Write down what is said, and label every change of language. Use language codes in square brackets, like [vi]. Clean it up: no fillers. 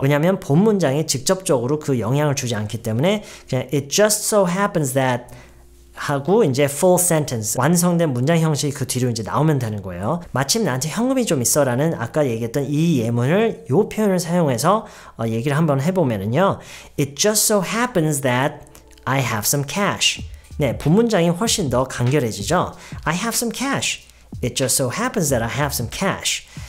[ko] 왜냐하면 본 문장에 직접적으로 그 영향을 주지 않기 때문에 그냥 [en] it just so happens that [ko] 하고 이제 full sentence 완성된 문장 형식 그 뒤로 이제 나오면 되는 거예요. 마침 나한테 현금이 좀 있어 라는 아까 얘기했던 이 예문을 이 표현을 사용해서 얘기를 한번 해보면은요. [en] It just so happens that I have some cash. [ko] 네, 본문장이 훨씬 더 간결해지죠. [en] I have some cash. It just so happens that I have some cash.